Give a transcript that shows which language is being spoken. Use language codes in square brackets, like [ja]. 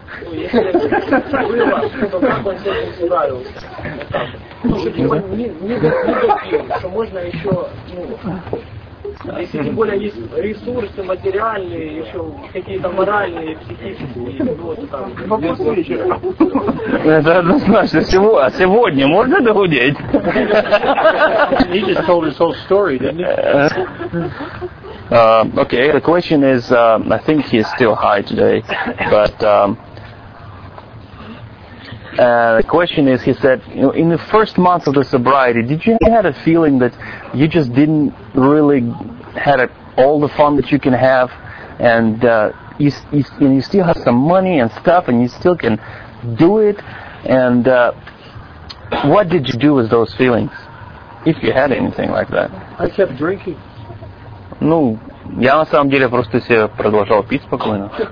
[ru] Ну, если было, то как он с этим справился? Ну, что типа не допил, что можно еще, ну, А если тем более есть ресурсы материальные, еще какие-то моральные, психические, вот это однозначно. А сегодня можно догудеть? [en] He just told his whole story, didn't he? Okay, the question is, I think he is still high today, but the question is, he said, in the first month of the sobriety, did you have a feeling that you just didn't really have all the fun that you can have, and you still have some money and stuff, and you still can do it, and what did you do with those feelings, if you had anything like that? I kept drinking. [ru] Ну, я на самом деле просто себе продолжал пить спокойно.